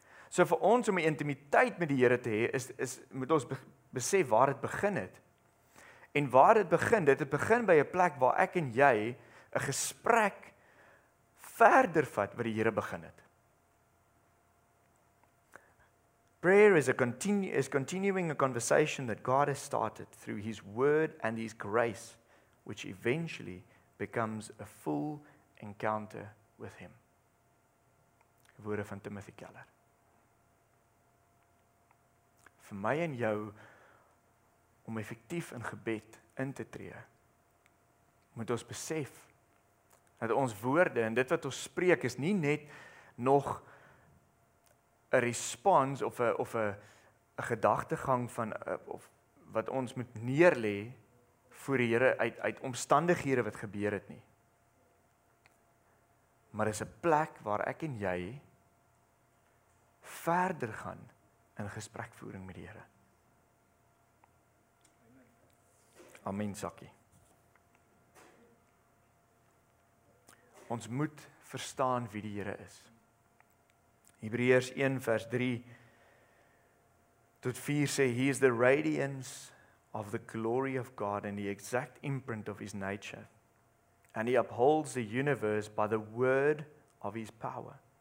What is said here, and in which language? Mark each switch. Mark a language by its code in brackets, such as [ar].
[af] So vir ons om 'n intimiteit met die Here te hê, is moet ons besef waar dit begin het. En waar dit begin, dit het begin by 'n plek waar ek en jy 'n gesprek verder vat wat die Here begin het. [en] Prayer is continuing a conversation that God has started through his word and his grace, which eventually becomes a full encounter with him. [af] Woorde van Timothy Keller. Vir my en jou om effektief in gebed in te tree, moet ons besef dat ons woorde en dit wat ons spreek is nie net nog 'n respons of 'n gedagtegang van of wat ons moet neerlê voor die Here uit omstandighede wat gebeur het nie. Maar is 'n plek waar ek en jy verder gaan in gesprekvoering met die Here. Amen sakkie. Ons moet verstaan wie die Here is. Hebreërs 1 vers 3 tot 4 sê, [en] He is the radiance of the glory of God and the exact imprint of his nature. And he upholds the universe by the word of his power.